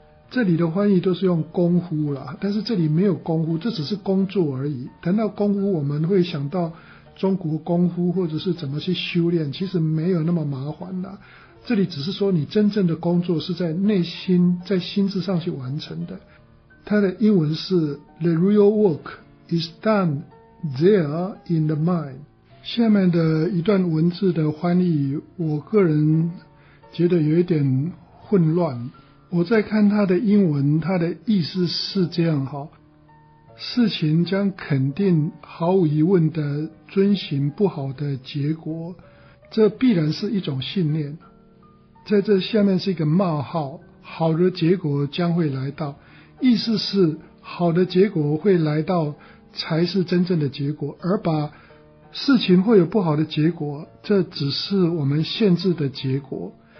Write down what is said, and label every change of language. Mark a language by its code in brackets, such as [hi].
[zh] 这里的翻译都是用功夫啦，但是这里没有功夫，这只是工作而已。谈到功夫我们会想到中国功夫或者是怎么去修炼，其实没有那么麻烦啦，这里只是说你真正的工作是在内心，在心智上去完成的。它的英文是 [en] The real work is done there in the mind。 [zh] 下面的一段文字的翻译我个人觉得有一点混乱，我在看他的英文，他的意思是这样，事情将肯定毫无疑问的遵循不好的结果，这必然是一种信念，在这下面是一个冒号，好的结果将会来到，意思是好的结果会来到才是真正的结果，而把事情会有不好的结果，这只是我们限制的结果。